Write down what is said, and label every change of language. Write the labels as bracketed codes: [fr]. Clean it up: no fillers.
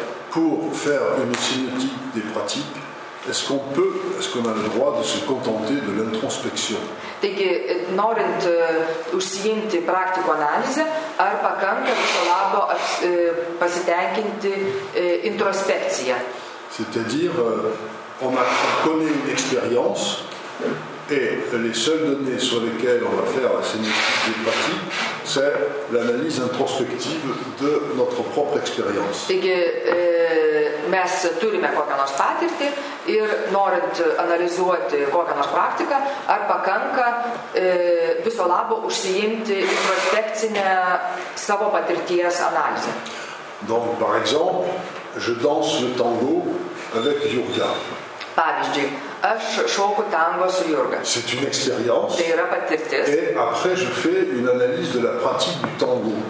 [fr] Pour faire une sémiotique des pratiques, est-ce qu'on a le droit de se contenter de l'introspection? [lt] Taigi, norint užsiimti praktikų analizę, ar pakanka viso labo pasitenkinti introspekciją? [fr] C'est-à-dire on connaît une expérience et les seules données sur lesquelles on va faire la sémiotique des pratiques, c'est l'analyse introspective de notre propre expérience. [lt] Taigi, mes turime kokią nors patirtį ir norint analizuoti kokią nors praktiką, ar pakanka viso labo užsiimti introspekcinę savo patirties analizę. [fr] Donc, par exemple, je danse le tango avec Jurga. [lt] Pavyzdžiui, aš šoku tango su Jurga. [fr] C'est une expérience. [lt] Tai yra patirtis. [fr] Et après je fais une analyse de la pratique du tango.